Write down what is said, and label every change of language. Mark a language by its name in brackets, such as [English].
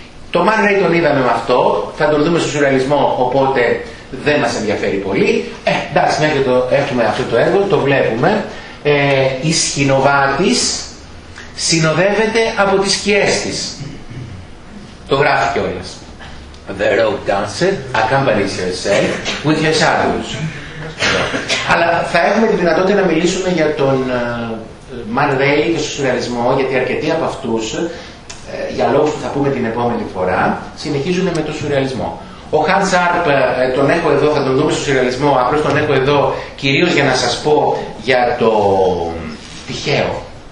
[Greek] Το Man Ray τον είδαμε με αυτό, θα τον δούμε στο σουρεαλισμό, οπότε δεν μας ενδιαφέρει πολύ. Εντάξει, μέχρι το έχουμε αυτό το έργο, το βλέπουμε. Η σκηνοβάτης συνοδεύεται από τις σκιές της. Το γράφει κιόλας. [English] The rogue dancer accompanies herself with her shadows. [Greek] Αλλά θα έχουμε τη δυνατότητα να μιλήσουμε για τον Man Ray και στο σουρεαλισμό, γιατί αρκετοί από αυτούς, για λόγους που θα πούμε την επόμενη φορά, συνεχίζουν με το σουρεαλισμό. Ο Hans Arp τον έχω εδώ, θα τον δούμε στο σουρεαλισμό, απλώς τον έχω εδώ κυρίως για να σας πω για το τυχαίο.